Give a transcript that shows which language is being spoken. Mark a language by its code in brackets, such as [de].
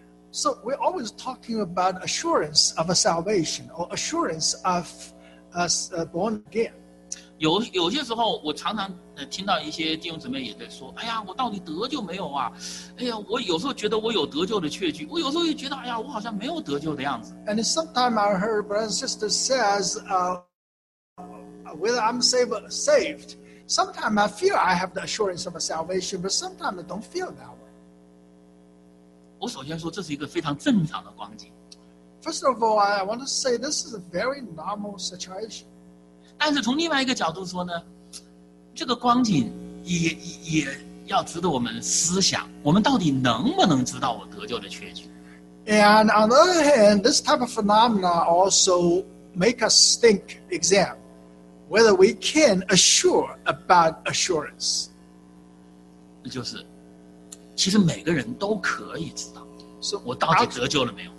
[en] So we're always talking about assurance of a salvation or assurance of us born again. [zh] 有些时候我常常听到一些弟兄姊妹也在说，哎呀，我到底得救没有啊？哎呀，我有时候觉得我有得救的确据，我有时候又觉得，哎呀，我好像没有得救的样子。 [en] And sometimes I heard brothers and sisters says, whether I'm saved. Sometimes I feel I have the assurance of a salvation, but sometimes I don't feel that way. [zh] 我首先说这是一个非常正常的光景。 [en] First of all, I want to say this is a very normal situation. [zh] 但是从另外一个角度说呢，这个光景 也要值得我们思想，我们到底能不能知道我得救的确据。 [en] And on the other hand, this type of phenomena also make us think exam whether we can assure about assurance. [zh] 那就是其实每个人都可以知道我到底得救了没有。